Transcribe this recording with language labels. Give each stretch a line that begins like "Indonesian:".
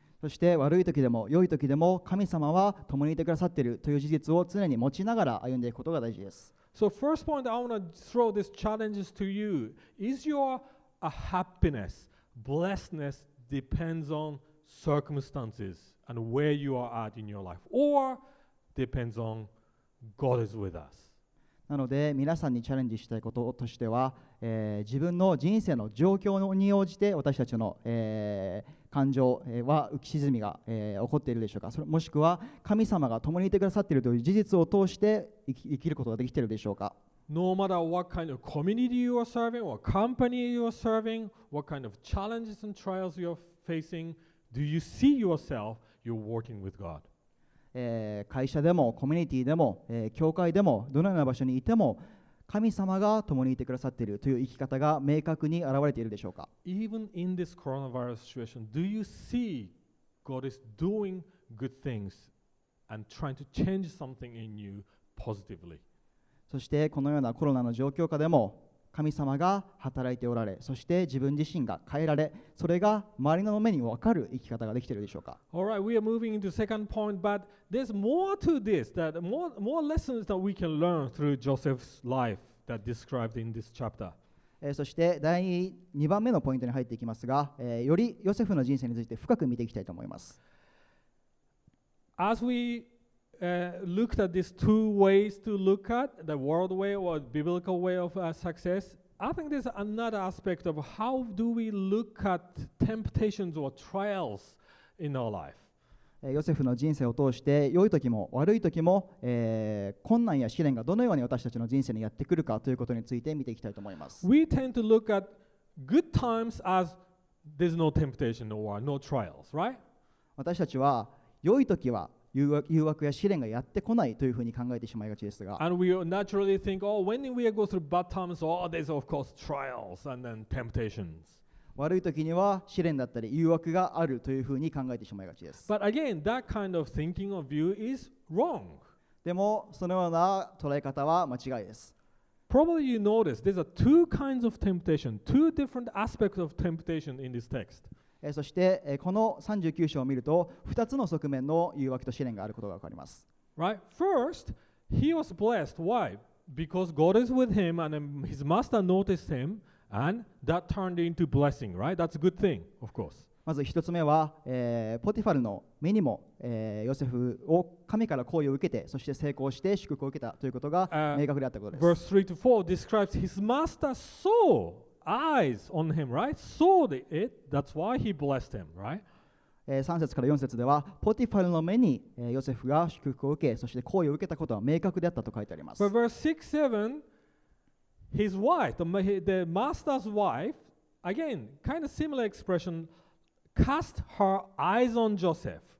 Japanese: そして悪い時でも良い時でも神様は共にいてくださっているという事実を常に持ちながら歩んでいくことが大事です。
English: So first point I want to throw these challenges to you. Is your happiness, blessedness depends on circumstances and where you are at in your life? Or depends on God is with us?
Japanese: なので皆さんにチャレンジしたいこととしては、自分の人生の状況に応じて私たちの、感情は浮き沈みが、起こっているでしょうか。それもしくは神様が共にいてくださっているという事実を通して生きることができているでしょうか。
English: No matter what kind of community you are serving, what company you are serving, what kind of challenges and trials you are facing, do you see yourself, you're working with God?
Japanese: 会社でもコミュニティでも、教会でもどのような場所にいても神様が共にいてくださっているという生き方が明確に現れているでしょうか。
English: Even in this coronavirus situation, do you see God is doing good things and trying to change something in you positively?
Japanese: そしてこのようなコロナの状況下でも神様が働いておられ、そして自分自身が変えられ、それが周りの目に分かる生き方ができているでしょうか。
English: All right, we are moving into second point, but there's more to this, that more lessons that we can learn through Joseph's life that described in this chapter.
Japanese: そして第2番目のポイントに入っていきますが、よりヨセフの人生について深く見ていきたいと思います。
English: As weLooked at these two ways to look at the world way or biblical way of success. I think there's another aspect of how do we look at temptations or trials in our life.
Japanese: ヨセフの人生を通して良い時も悪い時も、困難や試練がどのように私たちの人生にやってくるかということについて見ていきたいと思います。
English: We tend to look at good times as there's no temptation or no trials, right?
Japanese: 私たちは良い時は誘惑や試練がやってこないというふうに考えてしまいがちですが、
English: And we naturally think, oh, when we go through bad times, oh, there's of course trials and then temptations.
Japanese: 悪い時には試練だったり誘惑があるというふうに考えてしまいがちです。
English: But again, that kind of thinking of view is wrong.
Japanese: でもそのような捉え方は間違いです。
English: Probably you notice there's a two kinds of temptation, two different aspects of temptation in this text.
Japanese: そしてこの39章を見ると2つの側面の誘惑と試練があることがわかります。
English: Right? First, he was blessed. Why? Because God is with him and his master noticed him. And that turned into blessing, right? That's a good thing, of course.
Japanese: まず一つ目は、ポティファルの目にも、ヨセフを神から好意を受けて、そして成功して祝福を受けたということが明確であったことです。
English: Verse 3 to 4 describes his master saw eyes on him, right? Saw it, that's why he blessed him, right?
Japanese: 3節から4節では、ポティファルの目に、ヨセフが祝福を受け、そして好意を受けたことは明確であったと書いてあります。
English: But verse 6, 7, His wife, the master's wife, again, kind of similar expression, cast her eyes on Joseph.